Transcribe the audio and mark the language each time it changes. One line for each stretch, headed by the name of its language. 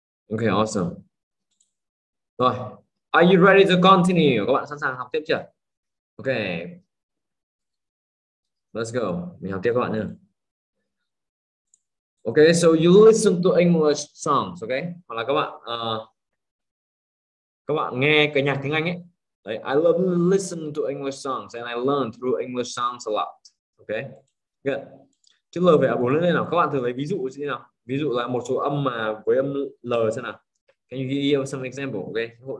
English: Ok, awesome. Rồi, are you ready to continue?
Vietnamese: Các bạn sẵn sàng học tiếp chưa? Ok.
English: Let's go,
Vietnamese: mình học tiếp các bạn nhé.
English: Ok, so you listen to English songs, ok?
Vietnamese: Hoặc là các bạn nghe cái nhạc tiếng Anh ấy.
English: Đấy, I love listen to English songs and I learn through English songs a lot. Ok, good.
Vietnamese: Chữ L về A4 lên đây nào, các bạn thử lấy ví dụ như thế nào. Ví dụ là một số âm mà với âm L xem nào.
English: Can you give you some example, ok?